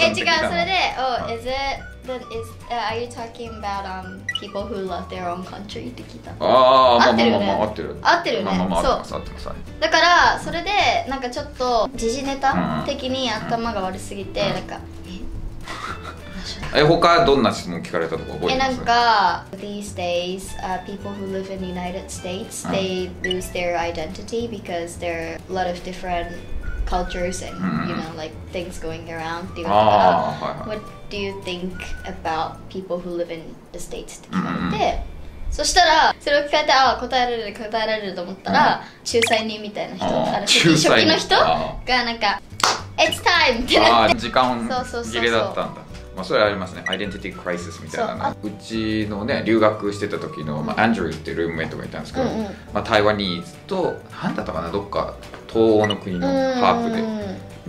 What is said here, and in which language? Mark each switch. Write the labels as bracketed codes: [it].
[ja] え、違う、それで、 [en] oh, is itThen is, are you talking about people who love their own country? [ja] って聞いた。ああ、ね、まあまあまあ、合ってる。合ってるね。まあまあまあ、合ってます。だから、それで、なんかちょっと、時事ネタ的に頭が悪すぎて、うん、なんか、え、他どんな質問聞かれたとか覚えてます？え、なんか、 [en] These days,people who live in the United States,they lose their identity because there are a lot of different cultures and, you know, like, things going around. [ja] っていうのから、はいはい、 [en] What do you think about people who live in the States? [ja] って聞かれて、そしたら、それを聞かれて、ああ、答えられる、答えられると思ったら、仲裁人みたいな人、初期の人が、なんか、 [en] It's time! [ja] ってなって、時間切れだったんだ。まあ、それありますね、アイデンティティクライシスみたいなの。うちのね、留学してた時の、まあ、アンドリューってルームメイトがいたんですけど、まあ、タイワニーズと、なんだったかな、どっか東欧の国のハーフで、